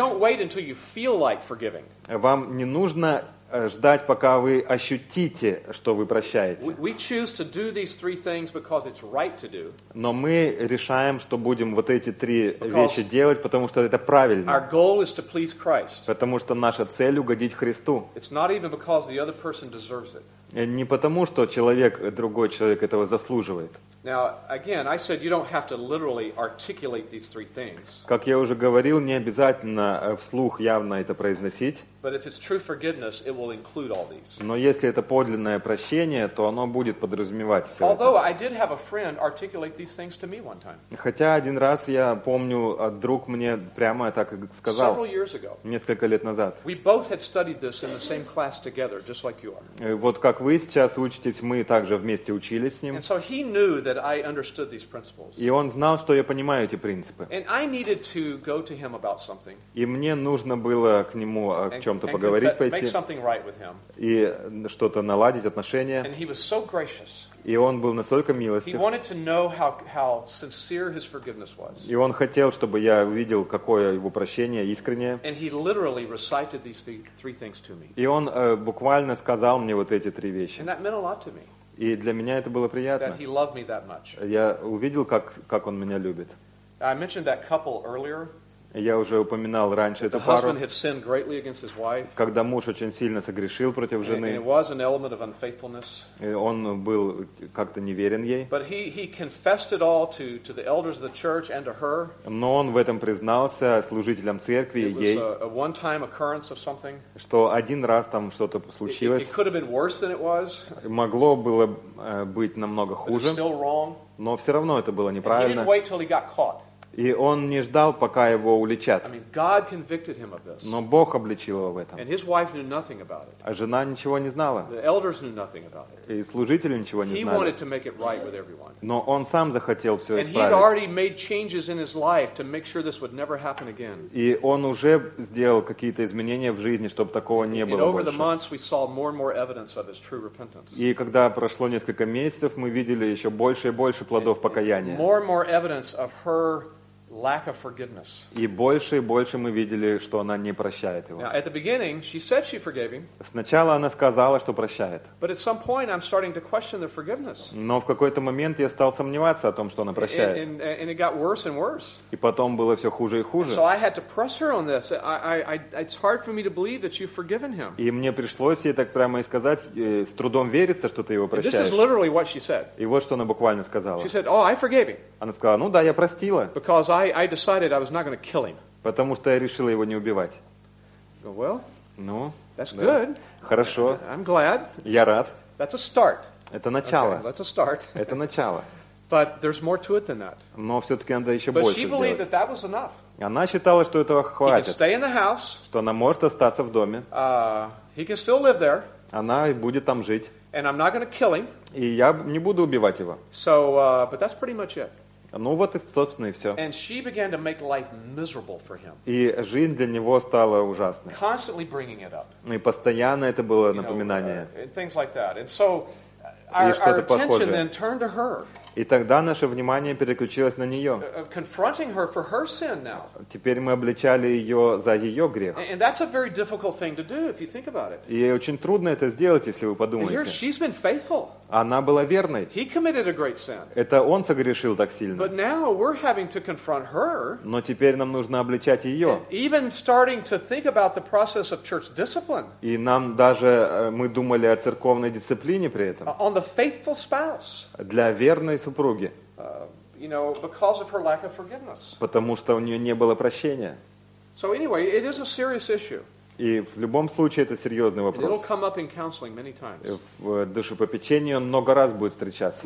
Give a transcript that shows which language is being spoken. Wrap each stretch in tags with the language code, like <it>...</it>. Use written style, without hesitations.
<ru>Вам не нужно ждать, пока вы ощутите, что вы прощаете. Но мы решаем, что будем вот эти три вещи делать, потому что это правильно.</ru> <en>Our goal is to please Christ.</en> <ru>Потому что наша цель — угодить Христу.</ru> <en>It's not even because the other person deserves it.</en> <ru>Не потому, что человек, другой человек этого заслуживает.</ru> <en>Now, again, I said you don't have to literally articulate these three things.</en> <ru>Как я уже говорил, не обязательно вслух явно это произносить.</ru> <en>But if it's true forgiveness, it will include all these.</en> <ru>Но если это подлинное прощение, то оно будет подразумевать все.</ru> <en>Although</en> <ru>это.</ru> <en>I did have a friend articulate these things to me one time.</en> <ru>Хотя один раз я помню, друг мне прямо так сказал.</ru> <en>Several years ago.</en> <ru>Несколько лет назад.</ru> <en>We both had studied this in the same class together, just like you are.</en> <ru>Вот как вы сейчас учитесь, мы также вместе учились с ним.</ru> <en>And so he knew that I understood these principles.</en> <ru>И он знал, что я понимаю эти принципы.</ru> <en>And I needed to go to him about something.</en> <ru>И мне нужно было к нему о чем-то поговорить, пойти.</ru> <en>Make something right with him.</en> <ru>И что-то наладить отношения.</ru> <en>And he was so gracious.</en> <ru>И он был настолько милостив.</ru> <en>He wanted to know how sincere his forgiveness was.</en> <ru>И он хотел, чтобы я увидел, какое его прощение искреннее.</ru> <en>And he literally recited these three things to me.</en> <ru>И он буквально сказал мне вот эти три вещи.</ru> <en>And that meant a lot to me.</en> <ru>И для меня это было приятно.</ru> <en>That he loved me that much.</en> <ru>Я увидел, как он меня любит.</ru> <en>I mentioned that couple earlier.</en> <ru>Я уже упоминал раньше эту пару.</ru> <en>The husband had sinned greatly against his wife.</en> <ru>Когда муж очень сильно согрешил против жены.</ru> <en>And it was an element of unfaithfulness.</en> <ru>И он был как-то неверен ей.</ru> <en>But he confessed it all to the elders of the church and to her.</en> <ru>Но он в этом признался служителям церкви и ей.</ru> <en>It was a one-time occurrence of something.</en> <ru>Что один раз там что-то случилось.</ru> <en>It could have been worse than it was.</en> <ru>Могло было быть намного хуже.</ru> <en>But it's still wrong.</en> <ru>Но все равно это было неправильно.</ru> <en>And he didn't wait till he got caught.</en> <ru>И он не ждал, пока его уличат.</ru> <en>I mean, God convicted him of this.</en> <ru>Но Бог обличил его в этом.</ru> <en>And his wife knew nothing about it.</en> <ru>А жена ничего не знала.</ru> <en>The elders knew nothing about it.</en> <ru>И служители ничего не</ru> <en>he</en> <ru>знали.</ru> <en>Wanted to make it right with everyone.</en> <ru>Но он сам захотел все</ru> <en>And</en> <ru>исправить.</ru> <en>He'd already made changes in his life to make sure this would never happen again.</en> <ru>И он уже сделал какие-то изменения в жизни, чтобы такого не было</ru> <en>over</en> <ru>больше.</ru> <en>The months, we saw more and more evidence of his true repentance.</en> <ru>И когда прошло несколько месяцев, мы видели еще больше и больше плодов покаяния.</ru> <en>More and more evidence of her lack of forgiveness.</en> <ru>И больше и больше мы видели, что она не прощает его.</ru> <en>Now, at the beginning, she said she forgave him.</en> <ru>Сначала она сказала, что прощает.</ru> <en>But at some point, I'm starting to question their forgiveness.</en> <ru>Но в какой-то момент я стал сомневаться о том, что она прощает.</ru> <en>And it got worse and worse.</en> <ru>И потом было все хуже и хуже.</ru> <en>So I had to press her on this. It's hard for me to believe that you've forgiven him.</en> <ru>И мне пришлось ей так прямо и сказать, с трудом верится, что ты его прощаешь.</ru> <en>This is literally what she said.</en> <ru>И вот что она буквально сказала.</ru> <en>She said, "Oh, I forgave him."</en> <ru>Она сказала, ну да, я простила.</ru> <en>Because I decided I was not going to kill him.</en> <ru>Потому что я решила его не убивать.</ru> <en>Well,</en> <ru>ну,</ru> <en>that's</en> <ru>да.</ru> <en>good.</en> <ru>Хорошо.</ru> <en>I'm glad.</en> <ru>Я рад.</ru> <en>That's a start.</en> <ru>Это начало.</ru> <en>Okay, that's a start.</en> <ru>Это начало.</ru> <en>But there's more to it than that.</en> <ru>Но все-таки надо еще</ru> <en>But</en> <ru>больше</ru> <en>she believed</en> <ru>сделать.</ru> <en>That that was enough.</en> <ru>Она считала, что этого хватит.</ru> <en>He can stay in the house.</en> <ru>Что она может остаться в доме.</ru> <en>He can still live there.</en> <ru>Она и будет там жить.</ru> <en>And I'm not going to kill him.</en> <ru>И я не буду убивать его.</ru> <en>So, but that's pretty much it.</en> <ru>Ну вот и, собственно, и все.</ru> <en>And she began to make life miserable for him.</en> <ru>И жизнь для него стала ужасной.</ru> <en>Constantly bringing it up.</en> <ru>И постоянно это было напоминание.</ru> <en>And things like that. And so our attention then turned to her.</en> <ru>И тогда наше внимание переключилось на нее.</ru> <en>Confronting her for her sin now.</en> <ru>Теперь мы обличали ее за ее грех.</ru> <en>And that's a very difficult thing to do if you think about it.</en> <ru>И очень трудно это сделать, если вы подумаете.</ru> <en>And here she's been faithful.</en> <ru>Она была верной.</ru> <en>He committed a great sin.</en> <ru>Это он согрешил так сильно.</ru> <en>But now we're having to confront her.</en> <ru>Но теперь нам нужно обличать ее.</ru> <en>And even starting to think about the process of church discipline.</en> <ru>И нам даже мы думали о церковной дисциплине при этом.</ru> <en>On the faithful spouse.</en> <ru>Для верной супруги.</ru> <en>You know, because of her lack of forgiveness.</en> <ru>Потому что у нее не было прощения.</ru> <en>So anyway, it is a serious issue.</en> <ru>И в любом случае это серьезный вопрос.</ru> <en>It'll come up in counseling many times.</en> <ru>В душепопечении он много раз будет встречаться.</ru>